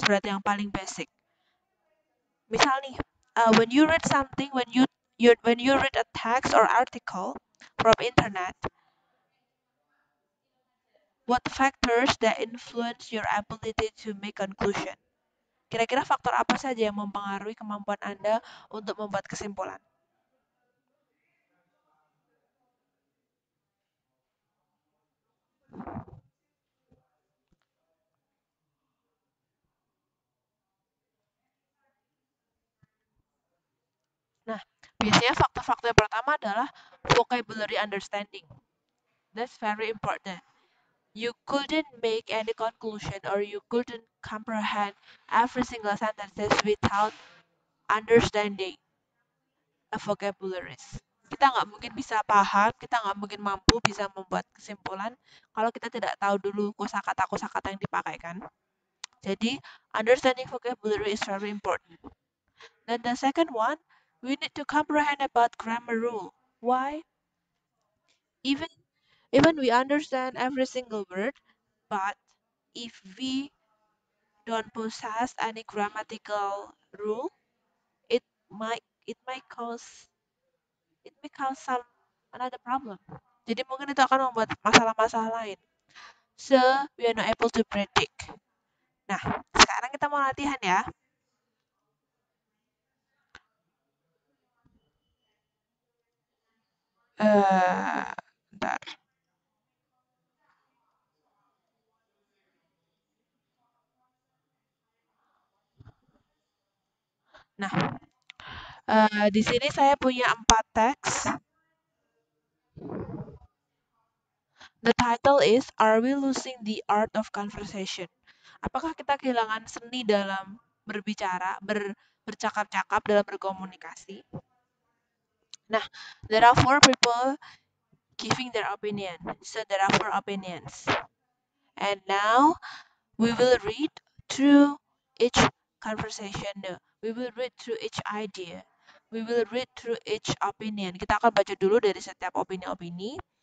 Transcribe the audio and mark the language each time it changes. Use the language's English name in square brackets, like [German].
[Indonesian] Berarti yang paling basic. Misalnya, [English] when you read something, when you read a text or article from internet. What factors that influence your ability to make conclusion? [Indonesian] Kira-kira faktor apa saja yang mempengaruhi kemampuan Anda untuk membuat kesimpulan? Nah, biasanya faktor-faktor yang pertama adalah vocabulary understanding. [English] That's very important. You couldn't make any conclusion or you couldn't comprehend every single sentence without understanding a vocabulary. [Indonesian] Kita nggak mungkin bisa paham, kita nggak mungkin mampu bisa membuat kesimpulan kalau kita tidak tahu dulu kosakata-kosakata yang dipakai, kan? [English] Jadi, understanding vocabulary is very important. Then the second one, we need to comprehend about grammar rule. Why? Even we understand every single word, but if we don't possess any grammatical rule, it may cause some another problem. [Indonesian] Jadi mungkin itu akan membuat masalah-masalah lain. [English] So we are not able to predict. [Indonesian] Nah, sekarang kita mau latihan ya. Bentar. Nah, di sini saya punya 4 teks. [English] The title is, Are We Losing the Art of Conversation? [Indonesian] Apakah kita kehilangan seni dalam berbicara, bercakap-cakap dalam berkomunikasi? [English] Nah, there are 4 people giving their opinion. So, there are 4 opinions. And now, we will read through each conversation. We will read through each idea. We will read through each opinion. [Indonesian] Kita akan baca dulu dari setiap opini-opini.